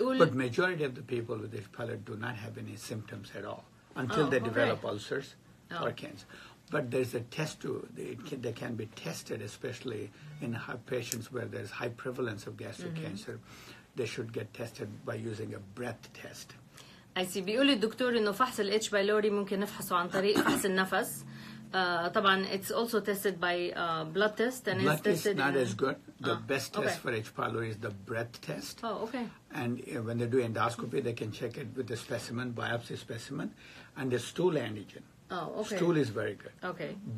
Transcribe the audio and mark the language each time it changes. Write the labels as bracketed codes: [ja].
[en] But majority of the people with H. pylori do not have any symptoms at all until they develop ulcers or cancer. But there's a test to it. They can be tested, especially in patients where there's high prevalence of gastric cancer. They should get tested by using a breath test. I see. [ar] بيقول الدكتور إنه فحص ال H. pylori ممكن نفحصه عن طريق فحص النفس. طبعاً [en] it's also tested by blood test and blood it's tested. Blood is not as good. The best test for H. pylori is the breath test. Oh, okay. And when they do endoscopy, they can check it with the specimen, biopsy specimen, and the stool antigen. Oh, okay. Stool is very good. Okay.